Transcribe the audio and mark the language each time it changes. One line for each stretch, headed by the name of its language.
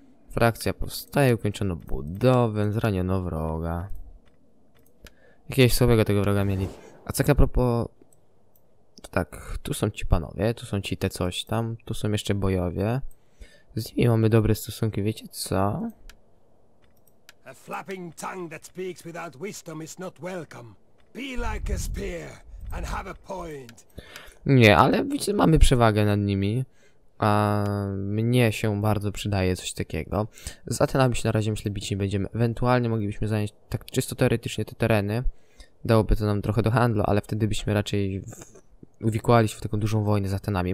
Polish: Frakcja powstaje, ukończono budowę, zraniono wroga. Jakiegoś słabego tego wroga mieli. A co a propos... To tak, tu są ci panowie, tu są ci te coś tam, tu są jeszcze bojowie. Z nimi mamy dobre stosunki, wiecie co?
English: A flapping tongue that speaks without wisdom is not welcome. Be like a spear and have a point.
Polish: Nie, ale widzicie, mamy przewagę nad nimi. A mnie się bardzo przydaje coś takiego. Z Atenami się na razie myślę bić nie będziemy. Ewentualnie moglibyśmy zająć tak czysto teoretycznie te tereny. Dałoby to nam trochę do handlu, ale wtedy byśmy raczej uwikłali się w taką dużą wojnę z Atenami.